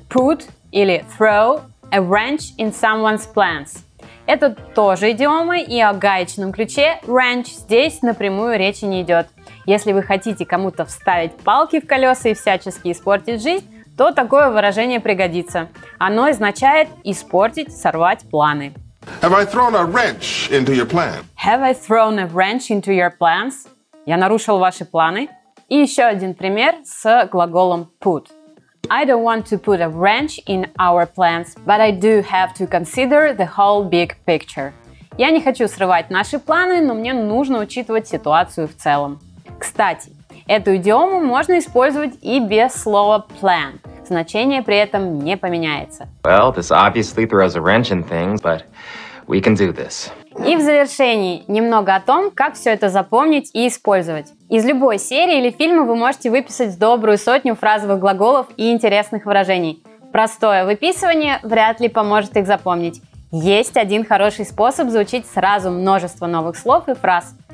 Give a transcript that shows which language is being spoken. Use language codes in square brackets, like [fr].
[en] Put [ru] или [en] throw a wrench in someone's plans. [ru] Это тоже идиома, и о гаечном ключе wrench здесь напрямую речи не идет. Если вы хотите кому-то вставить палки в колеса и всячески испортить жизнь, то такое выражение пригодится. Оно означает испортить, сорвать планы. [en] Have I thrown a wrench into your plan? Have I thrown a wrench into your plans? [ru] Я нарушил ваши планы. И еще один пример с глаголом put. [en] I don't want to put a wrench in our plans, but I do have to consider the whole big picture. [ru] Я не хочу срывать наши планы, но мне нужно учитывать ситуацию в целом. Кстати, эту идиому можно использовать и без слова plan. Значение при этом не поменяется. [en] Well, this obviously throws a wrench in things, but we can do this. [ru] И в завершении немного о том, как все это запомнить и использовать. Из любой серии или фильма вы можете выписать добрую сотню фразовых глаголов и интересных выражений. Простое выписывание вряд ли поможет их запомнить. Есть один хороший способ заучить сразу множество новых слов и фраз.